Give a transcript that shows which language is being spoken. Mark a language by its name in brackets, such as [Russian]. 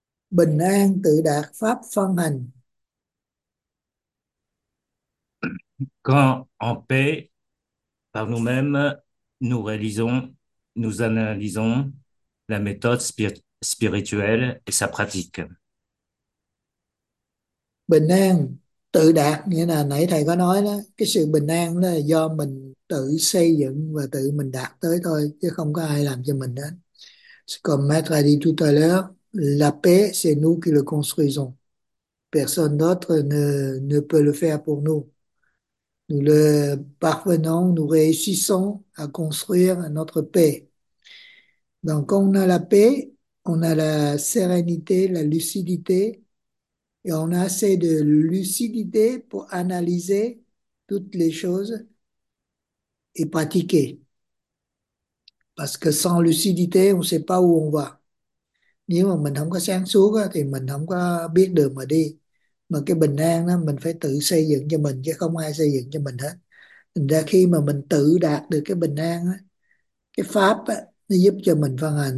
[Vietnamese] Bình an tự đạt pháp phân hành. [French] Quand en paix par nous-mêmes, nous réalisons, nous analysons la méthode spirituelle et sa pratique. [Vietnamese] Bình an tự đạt, nghĩa là nãy thầy có nói đó, cái sự bình an đó là do mình tự xây dựng và tự mình đạt tới thôi, chứ không có ai làm cho mình đó. [French] Comme Maître a dit tout à l'heure, la paix c'est nous qui le construisons. Personne d'autre ne peut le faire pour nous. Nous le parvenons, nous réussissons à construire notre paix. Donc quand on a la paix, on a la sérénité, la lucidité, et on a assez de lucidité pour analyser toutes les choses et pratiquer. Parce que sans lucidité, on ne sait pas où on va. [Vietnamese] Nếu mà mình không có sáng suốt thì mình không có biết đường mà đi. Mà cái bình an đó mình phải tự xây dựng cho mình chứ không ai xây dựng cho mình hết. Thành ra khi mà mình tự đạt được cái bình an á, cái pháp á, nó giúp cho mình phân hành.